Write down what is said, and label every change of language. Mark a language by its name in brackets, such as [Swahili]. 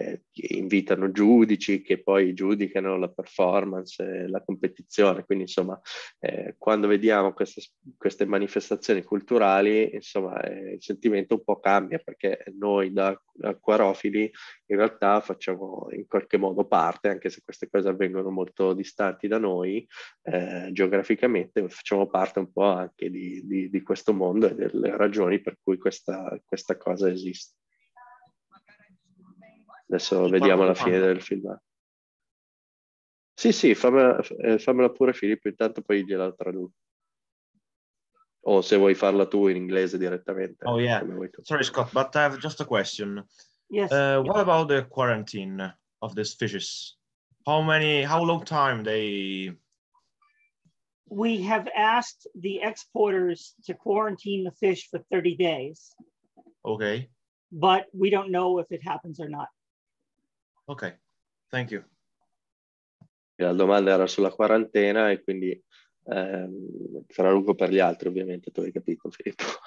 [Italian] Invitano giudici che poi giudicano la performance, la competizione, quindi insomma quando vediamo queste manifestazioni culturali, insomma il sentimento un po' cambia, perché noi da acquarofili in realtà facciamo in qualche modo parte, anche se queste cose avvengono molto distanti da noi geograficamente, facciamo parte un po' anche di questo mondo e delle ragioni per cui questa cosa esiste. Adesso vediamo la fine del film. Sì, fammela pure Filippo, intanto poi gliela traduco. O se vuoi farla tu in inglese direttamente. [English] Oh yeah, [Italian] come vuoi tu. [English] Sorry Scott, but I have just a question. Yes. What about the quarantine of these fishes? How long time they... We have asked the exporters to quarantine the fish for 30 days. Okay. But we don't know if it happens or not. Okay, thank you. [Italian] La domanda era sulla quarantena e quindi traduco per gli altri, ovviamente, tu hai capito, Filippo.